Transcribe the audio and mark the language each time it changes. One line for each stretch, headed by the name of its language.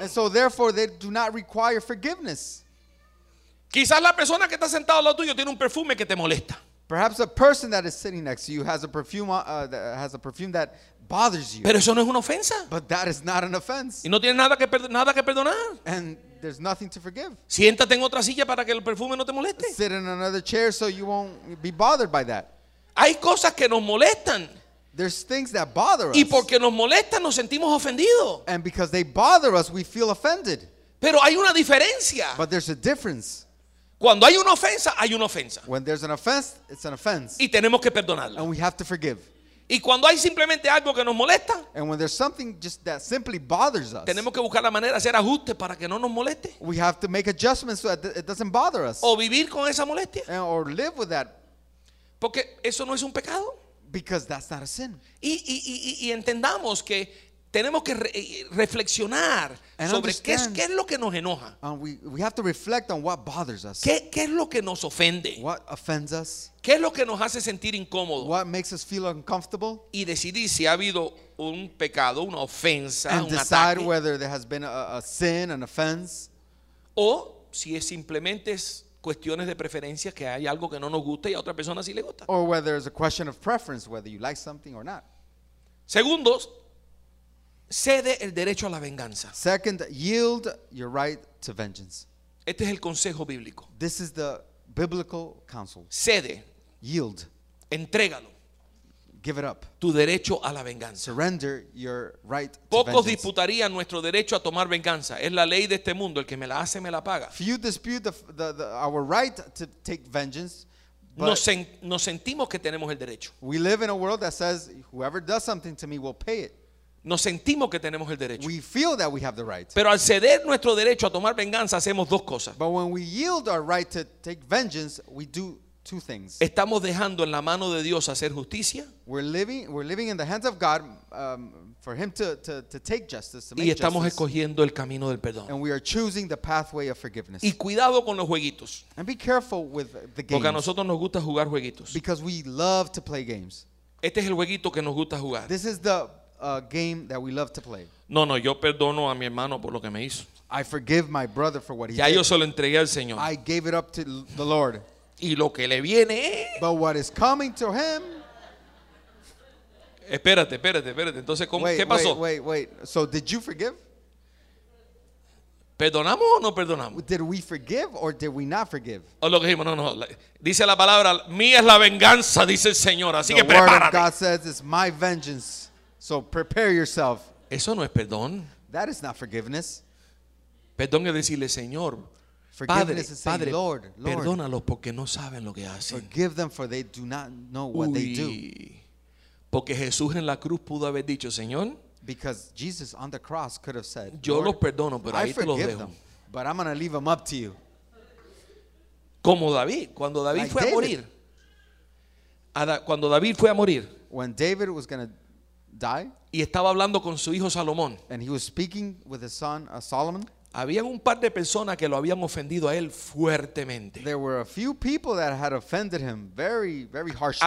English: And so therefore, they do not require forgiveness.
Spanish: Quizás la persona que está sentada al lado tuyo tiene un perfume que te molesta.
English: Perhaps a person that is sitting next to you has a perfume that bothers you.
Spanish: Pero eso no es una ofensa.
English: But that is not an offense.
Spanish: Y no tiene nada que perdonar.
English: And there's nothing to forgive.
Spanish: Siéntate en otra silla para que el perfume no te moleste.
English: Sit in another chair so you won't be bothered by that.
Spanish: Hay cosas que nos molestan.
English: There's things that bother us.
Spanish: Y porque nos molestan nos sentimos ofendidos.
English: And because they bother us we feel offended.
Spanish: Pero hay una diferencia.
English: But there's a difference.
Spanish: Cuando hay una ofensa, hay una ofensa.
English: When there's an offense, it's an offense.
Spanish: Y tenemos que perdonarla.
English: And we have to forgive.
Spanish: Y cuando hay simplemente algo que nos molesta,
English: and when there's something just that simply bothers us,
Spanish: tenemos que buscar la manera de hacer ajustes para que no nos moleste.
English: We have to make adjustments so that it doesn't bother us.
Spanish: O vivir con esa molestia.
English: And, or live with that.
Spanish: Porque eso no es un pecado.
English: Because that's not a sin.
Spanish: Y entendamos que tenemos que reflexionar
English: and
Spanish: sobre qué es lo que nos enoja.
English: We have to reflect on what bothers us.
Spanish: ¿Qué es lo que nos ofende?
English: What offends us?
Spanish: ¿Qué es lo que nos hace sentir incómodo?
English: What makes us feel uncomfortable?
Spanish: Y decidir si ha habido un pecado, una ofensa,
English: and
Spanish: un
English: decide
Spanish: ataque.
English: Whether there has been a sin, an offense.
Spanish: O si es simplemente cuestiones de preferencias, que hay algo que no nos gusta y a otra persona sí le gusta.
English: Or whether it's a question of preference, whether you like something or not.
Spanish: Segundo, cede el derecho a la venganza.
English: Second, yield your right to vengeance.
Spanish: Este es el consejo bíblico.
English: This is the biblical counsel.
Spanish: Cede.
English: Yield.
Spanish: Entrégalo.
English: Give it up.
Spanish: Tu derecho a la venganza.
English: Surrender your right to
Spanish: pocos
English: vengeance.
Spanish: Disputarían nuestro derecho a tomar venganza. Es la ley de este mundo. El que me la hace, me la paga.
English: Few dispute our right to take vengeance.
Spanish: Nos sentimos que tenemos el derecho.
English: We live in a world that says whoever does something to me will pay it.
Spanish: Nos sentimos que tenemos el derecho.
English: We feel that we have the right.
Spanish: Pero al ceder nuestro derecho a tomar venganza hacemos dos cosas.
English: But when we yield our right to take vengeance, we do two things.
Spanish: Estamos dejando en la mano de Dios hacer justicia.
English: We're living in the hands of God for him to take justice. To
Spanish: y estamos
English: justice.
Spanish: Escogiendo el camino del perdón.
English: And we are choosing the pathway of forgiveness.
Spanish: Y cuidado con los jueguitos.
English: And be careful with the games.
Spanish: Porque a nosotros nos gusta jugar jueguitos.
English: Because we love to play games.
Spanish: Este es el jueguito que nos gusta jugar.
English: This is the game that we love to play.
Spanish: No, yo perdono a mi hermano por lo que me hizo.
English: I forgive my brother for what he
Spanish: ya
English: did.
Spanish: Yo se lo entregué al Señor.
English: I gave it up to the Lord.
Spanish: Y lo que le viene.
English: But what is coming to him?
Spanish: Espérate. Entonces, ¿cómo,
English: wait,
Spanish: qué pasó?
English: Wait. So did you forgive?
Spanish: ¿Perdonamos o no perdonamos?
English: Did we forgive or did we not forgive?
Spanish: O lo que dijimos, no. Dice la palabra, mía es la venganza, dice el Señor. Así
English: the
Spanish: que prepárate.
English: Word of God says it's my vengeance. So prepare yourself.
Spanish: Eso no es perdón.
English: That is not forgiveness.
Spanish: Perdón es decirle, Señor,
English: forgiveness
Spanish: Padre,
English: is saying,
Spanish: Padre,
English: Lord,
Spanish: perdónalos porque no saben lo que hacen.
English: Forgive them for they do not know what Uy, they do.
Spanish: Porque Jesús en la cruz pudo haber dicho, Señor,
English: because Jesus on the cross could have said,
Spanish: yo los perdono, pero ahí te los dejo.
English: Them, but I'm going to leave them up to you.
Spanish: Como David, cuando David
English: like
Spanish: fue
English: David.
Spanish: A morir. Cuando David fue a morir.
English: When David was going to die.
Spanish: Y estaba hablando con su hijo Salomón.
English: And he was speaking with his son Solomon.
Spanish: Había un par de personas que lo habían ofendido a él fuertemente.
English: There were a few people that had offended him very, very harshly.